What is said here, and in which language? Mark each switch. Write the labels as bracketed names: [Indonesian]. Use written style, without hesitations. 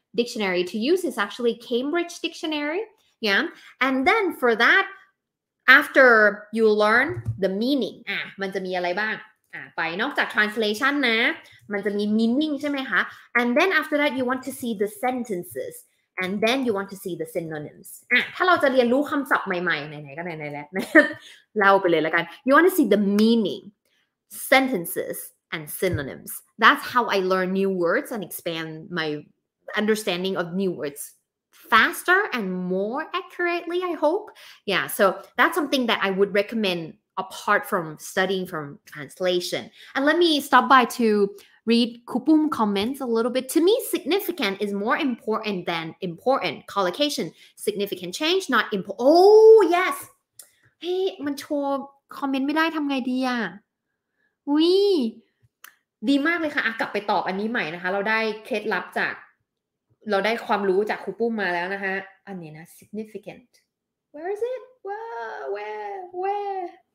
[English] Dictionary to use is actually Cambridge Dictionary, yeah. And then for that, after you learn the meaning, [Thai] มันจะมีอะไรบ้างไปนอกจาก translation นะมันจะมี meaning ใช่ไหมคะ [English] And then after that, you want to see the sentences, and then you want to see the synonyms. [Thai] ถ้าเราจะเรียนรู้คำศัพท์ใหม่ๆไหนๆก็ไหนๆแล้วเล่าไปเลยละกัน [English] You want to see the meaning, sentences, and synonyms. That's how I learn new words and expand myunderstanding of new words faster and more accurately I hope yeah so that's something that I would recommend apart from studying from translation and let me stop by to read kupum comments a little bit. To me, significant is more important than important. Collocation, significant change, not important. Oh, yes. [Thai] Hey, มันโชว์ comment ไม่ได้ทำไงดีอ่ะ วี ดีมากเลยค่ะ กลับไปตอบอันนี้ใหม่นะคะ เราได้เคล็ดลับจากเราได้ความรู้จากครูปุ้มมาแล้วนะคะอันนี้นะ significant [English] where is it where